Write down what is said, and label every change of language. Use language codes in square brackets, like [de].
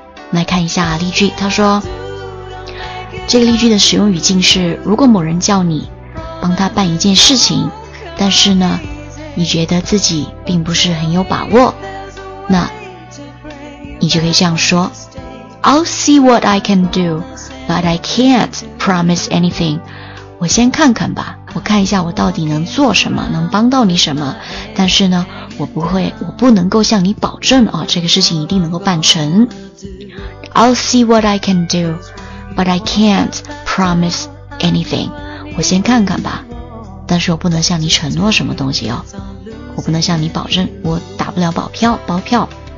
[zh] 来看一下例句，他说，这个例句的使用语境是，如果某人叫你帮他办一件事情，但是呢你觉得自己并不是很有把握，那你就可以这样说， [en] I'll see what I can do, but I can't promise anything. [zh] 我先看看吧，我看一下我到底能做什么，能帮到你什么，但是呢我不能够向你保证啊，这个事情一定能够办成。 [en] I'll see what I can do, but I can't promise anything. [zh] 我先看看吧，但是我不能向你承诺什么东西哦，我不能向你保证，我打不了包票。